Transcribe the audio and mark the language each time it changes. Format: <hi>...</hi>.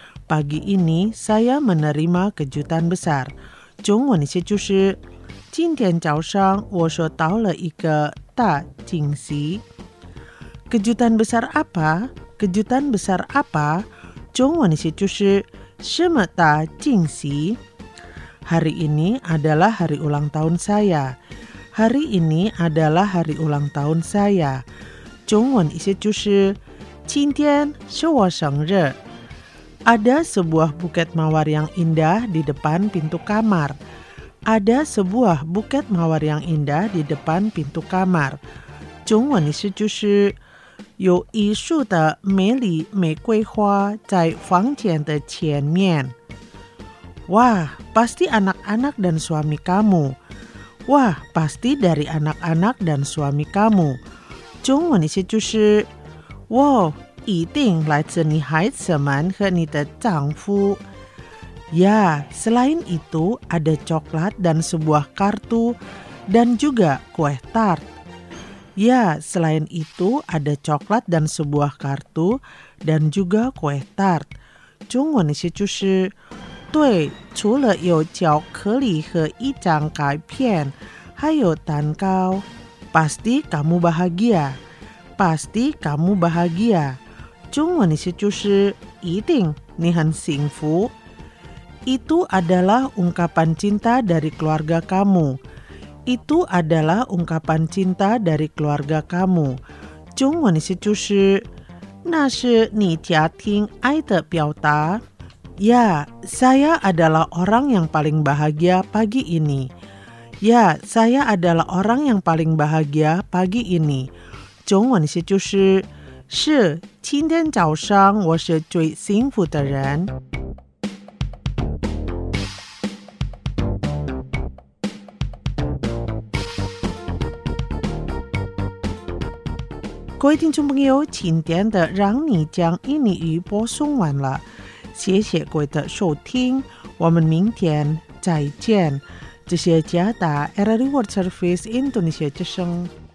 <id>Pagi ini saya menerima kejutan besar.</id> <zh>中文的意思就是今天早上我收到了一个大惊喜。</zh> <id>Kejutan besar apa? Kejutan besar apa?</id> <zh>中文的意思就是什么大惊喜。</zh> <id>Hari ini adalah hari ulang tahun saya. Hari ini adalah hari ulang tahun saya.</id> <zh>中文意思就是今天是我生日。</zh> <id>Ada sebuah buket mawar yang indah di depan pintu kamar. Ada sebuah buket mawar yang indah di depan pintu kamar.</id> <zh>中文意思就是有一束的美丽玫瑰花在房间的前面。</zh> <id>Wah, pasti anak-anak dan suami kamu. Wah, pasti dari anak-anak dan suami kamu.</id> <zh>中文的意思就是 Wow, 一定来自你孩子们和你的丈夫。</zh> <id>Ya, selain itu ada coklat dan sebuah kartu dan juga kue tart. Ya, selain itu ada coklat dan sebuah kartu dan juga kue tart.</id> <zh>中文的意思就是对，除了有巧克力和一张卡片，还有蛋糕。</zh> <id>Pasti kamu bahagia, pasti kamu bahagia.</id> <zh>中文的意思就是一定你很幸福。</zh> <id>Itu adalah ungkapan cinta dari keluarga kamu. Itu adalah ungkapan cinta dari keluarga kamu.</id> <zh>中文的意思就是那是你家庭爱的表达。</zh> <id>Ya, saya adalah orang yang paling bahagia pagi ini. Ya, saya adalah orang yang paling bahagia pagi ini.</id> <zh>中文的意思就是是今天早上我是最幸福的人。各位听众朋友，今天的让你讲印尼语播送完了。谢谢各位的收听，我们明天再见。这些家达 RRI World Service Indonesia 之声。</zh>